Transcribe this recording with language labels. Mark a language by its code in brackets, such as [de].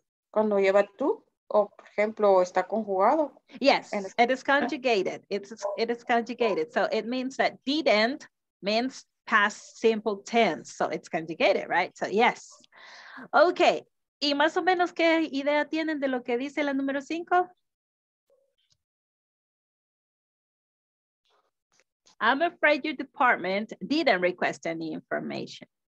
[es] Cuando lleva tú, o por ejemplo, está conjugado. [en] Yes, it is conjugated. It is conjugated. So it means that didn't means past simple tense. So it's conjugated, right? So yes. Okay. [es] ¿Y más o menos qué idea tienen de lo que dice la número cinco? [en] I'm afraid your department didn't request any information.